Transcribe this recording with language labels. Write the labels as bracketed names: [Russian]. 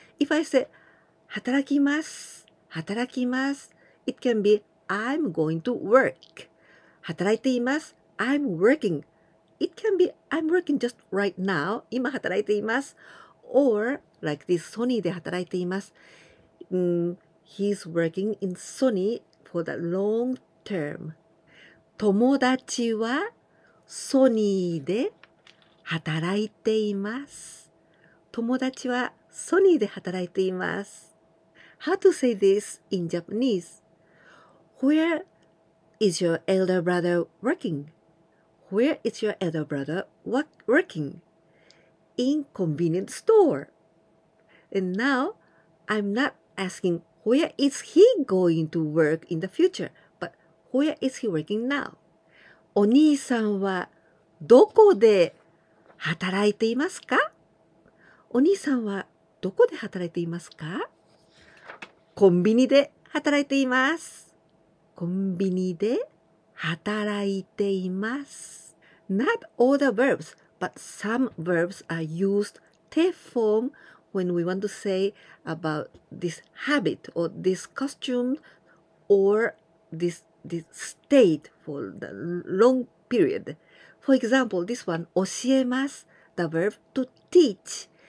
[English] If I say [Japanese] 働きます、働きます、 [English] it can be I'm going to work. [Japanese] 働いています、 [English] I'm working. It can be I'm working just right now. [Japanese] 今働いています。 [English] Or, like this, [Japanese] Sony で働いています。 [English] He's working in Sony for the long term. [Japanese] 友達はソニーで働いています。友達はソニーで働いています。 [English] How to say this in Japanese? Where is your elder brother working? Where is your elder brother working? In convenience store. And now, I'm not asking where is he going to work in the future, but where is he working now? [Japanese] お兄さんはどこで働いていますか？お兄さんはどこで働いていますか？コンビニで働いています。コンビニで働いています。 [English] Not all the verbs. But some verbs are used te form when we want to say about this habit or this costume or this state for the long period. For example, this one, 教えます, the verb to teach.